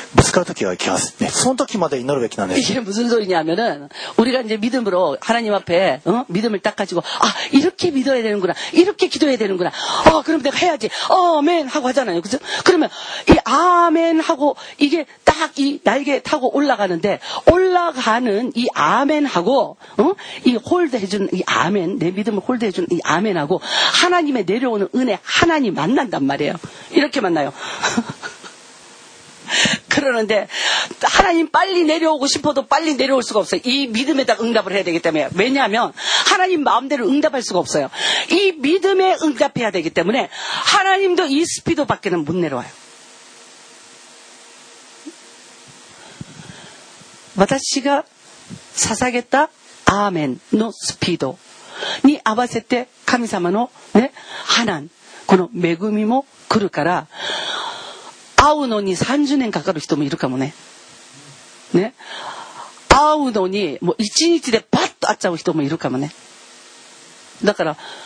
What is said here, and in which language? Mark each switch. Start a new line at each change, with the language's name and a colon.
Japanese: これはずっと続けていくべきなんですね。もうスピードはいかなものであれ、続けていくならばね、やがて上から降りてくる恵みとね、ぶつかる時が来ます。ね、その時まで祈るべきなんです。
Korean: 이게 무슨 소리냐면은 우리가 이제 믿음으로 하나님 앞에 어? 믿음을 딱 가지고 아 이렇게 믿어야 되는구나, 이렇게 기도해야 되는구나. 아 그럼 내가 해야지. 아멘 하고 하잖아요, 그죠? 그러면 이 아멘 하고 이게 딱 이 날개 타고 올라가는데 올라가는 이 아멘 하고 어? 이 홀드 해준 이 아멘 내 믿음을 홀드 해준 이 아멘 하고 하나님의 내려오는 은혜 하나님 만난단 말이에요. 이렇게 만나요. 그러는데 하나님 빨리 내려오고 싶어도 빨리 내려올 수가 없어요. 이 믿음에다 응답을 해야 되기 때문에. 왜냐하면 하나님 마음대로 응답할 수가 없어요. 이 믿음에 응답해야 되기 때문에 하나님도 이 스피드 밖에는 못 내려와요.
Japanese: 私が 捧げた アーメン の スピード に 合わせて 神様の ね 하난 この 恵み も 来る から 会うのに 30年 かかる 人も いる かも ね ね 会うのに もう 1日で パッと 会っちゃう 人 も いる かも ね だから